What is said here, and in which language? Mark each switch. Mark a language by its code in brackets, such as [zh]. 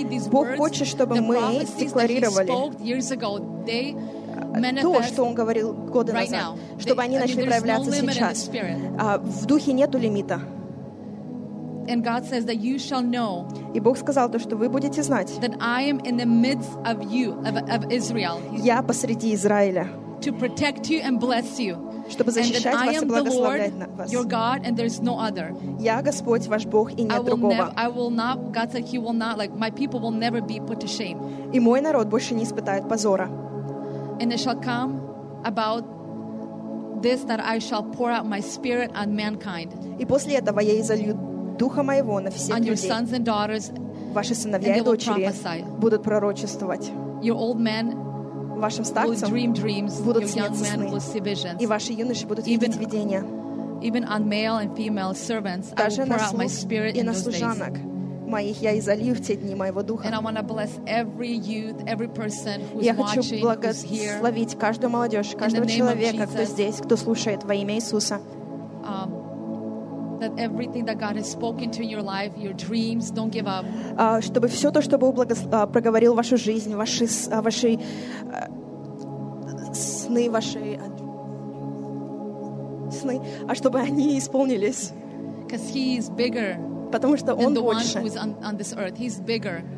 [ru] Бог хочет, чтобы мы декларировали то, что Он говорил годы назад, чтобы они начали проявляться сейчас. В Духе нету лимита. [en] And God says that you shall know. [ru] И Бог сказал то, что вы будете знать. [en] That I am in the midst of you, of Israel. [ru] Я посреди Израиля. [en] To protect you and bless you. [ru] Чтобы защищать вас и благословлять вас. [en] And that I am the Lord, your God, and there's no other. [ru] Я Господь ваш Бог и нет другого. [en] I will not. God said He will not. Like my people will never be put to shame. [ru] И мой народ больше не испытает позора. [en] And it shall come about this that I shall pour out my spirit on mankind. [ru] И после этого я излью Духа моего на всех [en] and [ru] людей. Ваши сыновья и дочери будут пророчествовать. Вашим старцам [en] dream dreams, [ru] будут сниться сны. И ваши юноши будут видеть видения. [en] Even on male and female servants, [ru] даже [en] I will pour out my spirit [ru] и на служанок моих я изолью в те дни моего Духа. [en] And I want to bless every youth, every person who's [ru] я хочу [en] watching, [ru] благословить [en] here, [ru] каждую молодежь, каждого человека, кто здесь, кто слушает во имя Иисуса. [en] That everything that God has spoken to in your life, your dreams, don't give up. [ru] Чтобы все то, что Бог проговорил в вашу жизнь, ваши ваши сны, ваши сны, а чтобы они исполнились. [en] Because He is bigger. [ru] Потому что Он больше. [en] On this earth, He's bigger.